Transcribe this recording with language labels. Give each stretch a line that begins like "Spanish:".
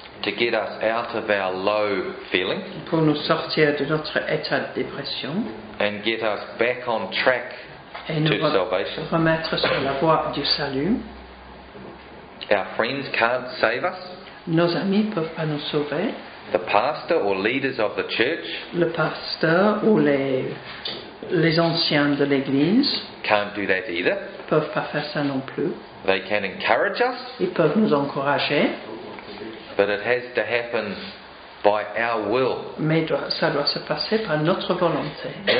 English: to get us out of our low feeling,
French: pour nous sortir de notre état de dépression,
English: and get us back on track to salvation,
French: remettre sur la voie du salut.
English: Our friends can't save us.
French: Nos amis peuvent pas nous sauver.
English: The pastor or leaders of the church,
French: le pasteur ou les anciens de l'église,
English: can't do that either.
French: Peuvent pas faire ça non plus.
English: They can encourage us.
French: Ils peuvent nous encourager.
English: But it has to happen by our will.
French: Mais ça doit se passer par notre volonté.